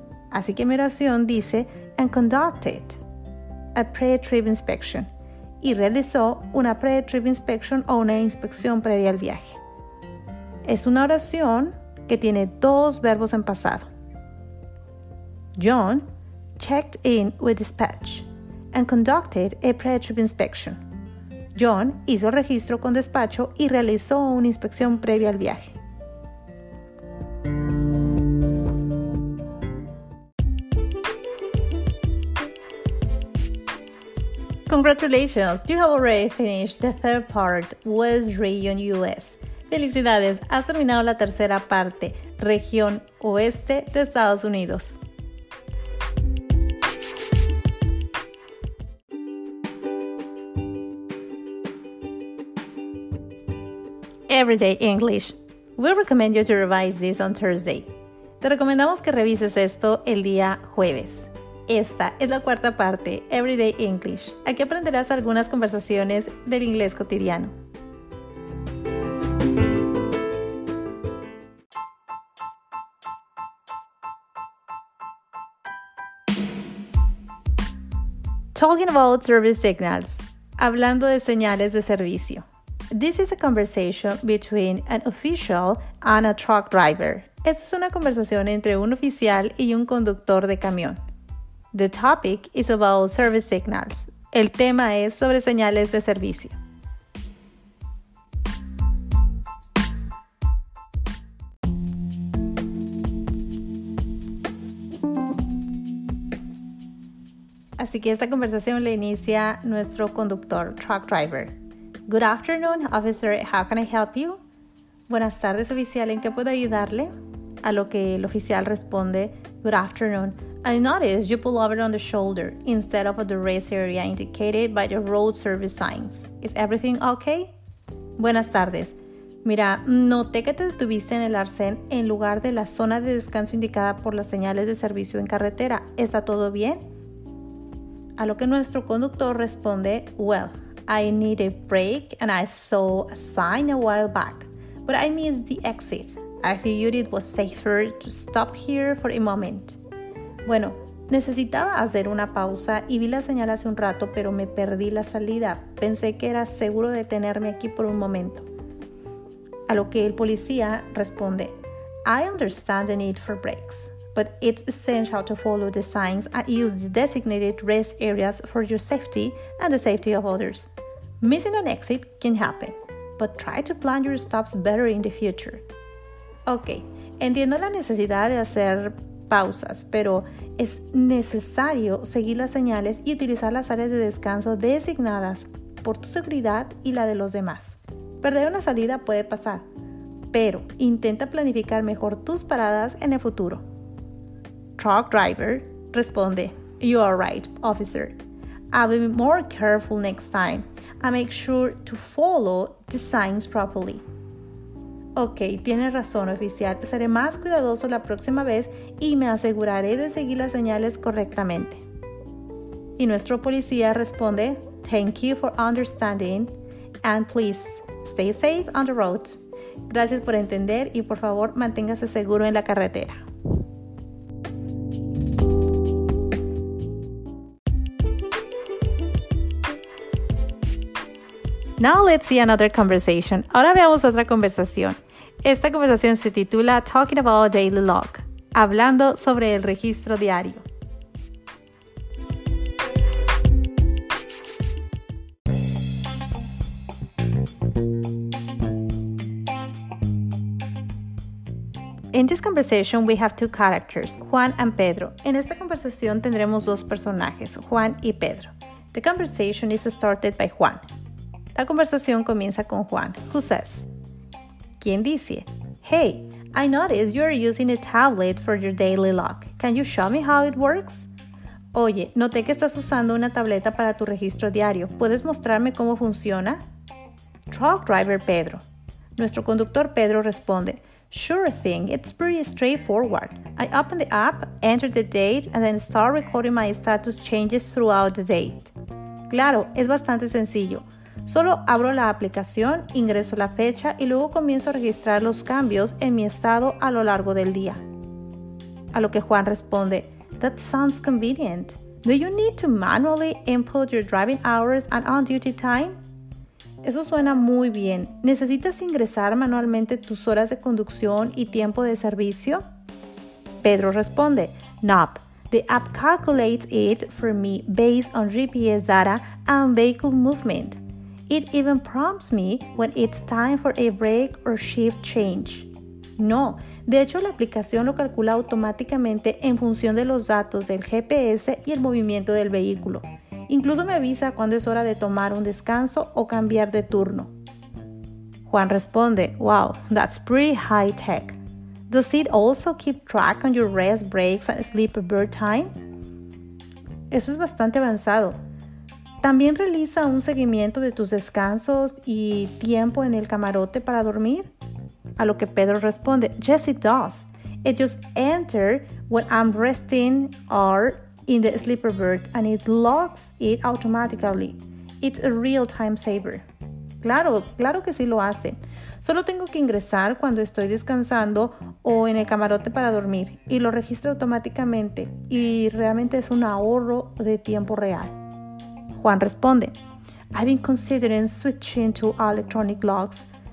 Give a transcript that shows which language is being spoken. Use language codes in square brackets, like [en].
[es] Así que mi oración dice, [en] and conducted a pre-trip inspection. [es] Y realizó una [en] pre-trip inspection [es] o una inspección previa al viaje. Es una oración que tiene dos verbos en pasado. [en] John checked in with dispatch and conducted a pre-trip inspection. [es] John hizo registro con despacho y realizó una inspección previa al viaje. [en] Congratulations! You have already finished the third part, West Region US. [es] Felicidades, has terminado la tercera parte, región oeste de Estados Unidos. [en] Everyday English. We recommend you to revise this on Thursday. [es] Te recomendamos que revises esto el día jueves. Esta es la cuarta parte, Everyday English. Aquí aprenderás algunas conversaciones del inglés cotidiano. [en] Talking about service signals. [es] Hablando de señales de servicio. [en] This is a conversation between an official and a truck driver. [es] Esta es una conversación entre un oficial y un conductor de camión. [en] The topic is about service signals. [es] El tema es sobre señales de servicio. Así que esta conversación la inicia nuestro conductor, truck driver. [en] Good afternoon, officer. How can I help you? [es] Buenas tardes, oficial. ¿En qué puedo ayudarle? A lo que el oficial responde, [en] good afternoon. I noticed you pull over on the shoulder instead of at the rest area indicated by the road service signs. Is everything okay? [es] Buenas tardes. Mira, noté que te detuviste en el arcén en lugar de la zona de descanso indicada por las señales de servicio en carretera. ¿Está todo bien? A lo que nuestro conductor responde, [en] well, I need a break and I saw a sign a while back, but I missed the exit. I figured it was safer to stop here for a moment. [es] Bueno, necesitaba hacer una pausa y vi la señal hace un rato, pero me perdí la salida. Pensé que era seguro detenerme aquí por un momento. A lo que el policía responde, [en] I understand the need for breaks, but it's essential to follow the signs and use the designated rest areas for your safety and the safety of others. Missing an exit can happen, but try to plan your stops better in the future. [es] Okay, entiendo la necesidad de hacer pausas, pero es necesario seguir las señales y utilizar las áreas de descanso designadas por tu seguridad y la de los demás. Perder una salida puede pasar, pero intenta planificar mejor tus paradas en el futuro. [en] Truck driver responde, you are right, officer. I will be more careful next time. I make sure to follow the signs properly. [es] Ok, tienes razón, oficial. Seré más cuidadoso la próxima vez y me aseguraré de seguir las señales correctamente. Y nuestro policía responde, [en] thank you for understanding and please stay safe on the road. [es] Gracias por entender y por favor manténgase seguro en la carretera. [en] Now let's see another conversation. [es] Ahora veamos otra conversación. Esta conversación se titula [en] Talking About a Daily Log, [es] hablando sobre el registro diario. [en] In this conversation, we have two characters, Juan and Pedro. [es] En esta conversación tendremos dos personajes, Juan y Pedro. [en] The conversation is started by Juan. [es] La conversación comienza con Juan, [en] who says, [es] ¿Quién dice? [en] Hey, I noticed you are using a tablet for your daily log. Can you show me how it works? [es] Oye, noté que estás usando una tableta para tu registro diario. ¿Puedes mostrarme cómo funciona? [en] Truck driver Pedro. [es] Nuestro conductor Pedro responde, [en] Sure thing, it's pretty straightforward. I open the app, enter the date, and then start recording my status changes throughout the date. [es] Claro, es bastante sencillo. Solo abro la aplicación, ingreso la fecha y luego comienzo a registrar los cambios en mi estado a lo largo del día. A lo que Juan responde, [en] That sounds convenient. Do you need to manually input your driving hours and on-duty time? [es] Eso suena muy bien. ¿Necesitas ingresar manualmente tus horas de conducción y tiempo de servicio? Pedro responde, Nope. [en] The app calculates it for me based on GPS data and vehicle movement. It even prompts me when it's time for a break or shift change. [es] No, de hecho la aplicación lo calcula automáticamente en función de los datos del GPS y el movimiento del vehículo. Incluso me avisa cuando es hora de tomar un descanso o cambiar de turno. [en] Juan responde, Wow, that's pretty high tech. Does it also keep track on your rest breaks and sleep bird time? [es] Eso es bastante avanzado. ¿También realiza un seguimiento de tus descansos y tiempo en el camarote para dormir? A lo que Pedro responde, [en] Yes, it does. It just enters when I'm resting or in the sleeper berth and it logs it automatically. It's a real time saver. [es] Claro, claro que sí lo hace. Solo tengo que ingresar cuando estoy descansando o en el camarote para dormir y lo registra automáticamente y realmente es un ahorro de tiempo real. [en] Juan responde, I've been considering switching to electronic logs.